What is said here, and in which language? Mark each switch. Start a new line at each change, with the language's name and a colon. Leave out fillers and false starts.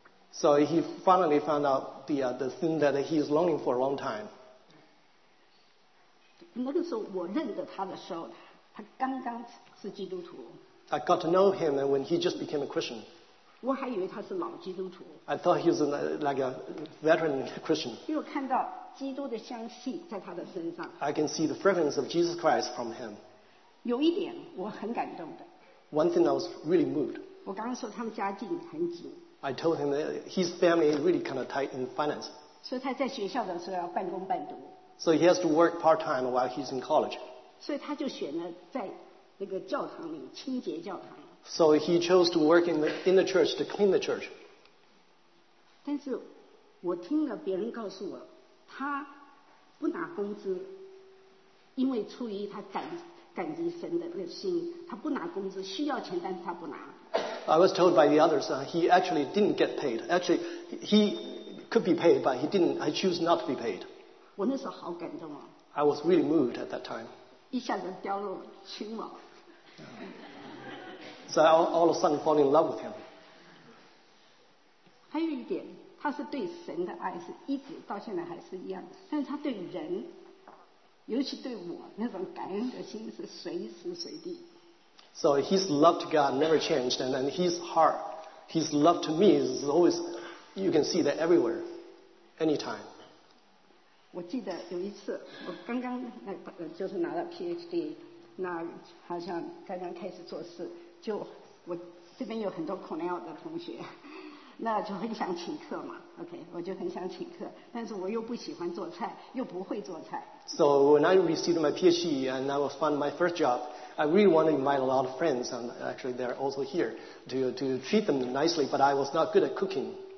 English: So he finally found out the thing that he is longing for a long time.
Chinese: 那个时候我认得他的时候，他刚刚是基督徒。
English: I got to know him when he just became a Christian.
Chinese: 我还以为他是老基督徒。
English: I thought he was like a veteran Christian.
Chinese: 因为看到基督的香气在他的身上。
English: I can see the fragrance of Jesus Christ from him.
Chinese: 有一点我很感动的。
English: One thing I was really moved.
Chinese: 我刚刚说他们家境很紧。
English: I told him that his family is really kind of tight in finance.
Chinese: 所以他在学校的时候要半工半读。
English: So he has to work part-time while he's in college.
Chinese: 所以他就选了在那个教堂里清洁教堂。
English: So he chose to work in the church to clean the church.
Chinese: 但是我听了别人告诉我，他不拿工资，因为出于他感激神的那心，他不拿工资，需要钱但是他不拿。
English: I was told by the others, he actually didn't get paid. Actually, he could be paid, but he didn't. I choose not to be paid.
Chinese: 我那时候好感动哦。
English: I was really moved at that time.
Chinese: 一下子掉入情网。
English: So I all of a sudden fall in love with him.
Chinese: 还有一点，他是对神的爱是一直到现在还是一样的，但是他对人，尤其对我那种感恩的心是随时随地。
English: So his love to God never changed, and then his heart, his love to me is always, you can see that everywhere, anytime.
Chinese: 我记得有一次我刚刚就是拿了 PhD, 那好像刚刚开始做事，就我这边有很多 Cornell 的同学，那就很想请客嘛， OK, 我就很想请客，但是我又不喜欢做菜，又不会做菜。
English: So when I received my PhD and I was found my first job, I really wanted to invite a lot of friends, and actually they're also here to treat them nicely, but I was not good at cooking.